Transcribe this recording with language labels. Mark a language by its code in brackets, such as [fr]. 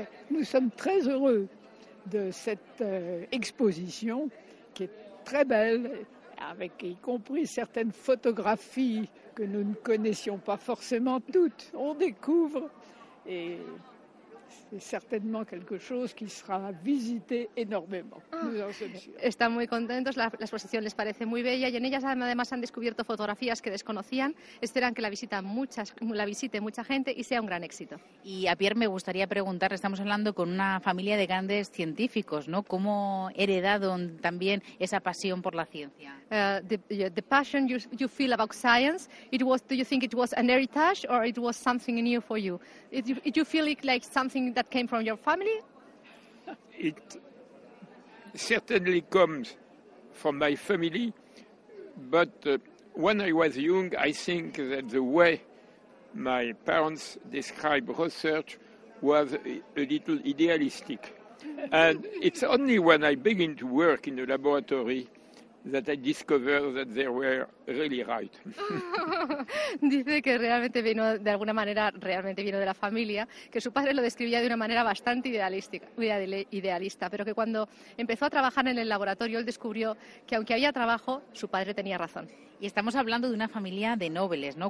[fr] Nous sommes très heureux de cette exposition qui est très belle, avec y compris certaines photographies que nous ne connaissions pas forcément toutes. On découvre et c'est certainement quelque chose qui sera visité énormément. [es] Están muy contentos, la exposición les parece muy bella y en ellas además han descubierto fotografías que desconocían. Esperan que la visite mucha gente y sea un gran éxito. Y a Pierre me gustaría preguntarle, estamos hablando con una familia de grandes científicos, ¿no? ¿Cómo heredaron también esa pasión por la ciencia? [en] The passion you feel about science, do you think it was an heritage or it was something new for you? Do you feel it like something that came from your family? It certainly comes from my family, but when I was young, I think that the way my parents describe research was a little idealistic. And it's only when I begin to work in a laboratory that I discovered that they were really right. [es] Dice que realmente vino, de alguna manera, realmente vino de la familia, que su padre lo describía de una manera bastante idealista, pero que cuando empezó a trabajar en el laboratorio, él descubrió que aunque había trabajo, su padre tenía razón. Y estamos hablando de una familia de nobles, ¿no?